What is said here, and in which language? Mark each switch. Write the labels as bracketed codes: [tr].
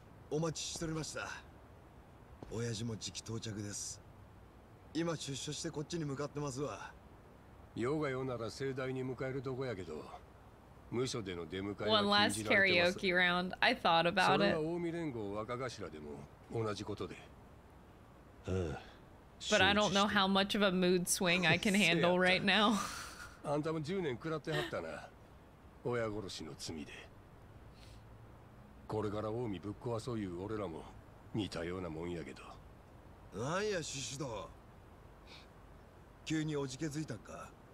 [ja] お待ちしておりました。親父も時期到着です。今出所してこっちに向かってますわ。夜が夜なら盛大に迎えるとこやけど、無所での出迎えは禁じられてます。 [en] One last karaoke round. I thought about it. [ja] それは近江連合若頭でも同じことで。 [en] But I don't know how much of a mood swing I can handle right now. [ja] あんたも10年食らってはったな。親殺しの罪で。これから近江ぶっ壊そういう俺らも似たようなもんやけど。なんや、シシド。急におじけづいたか。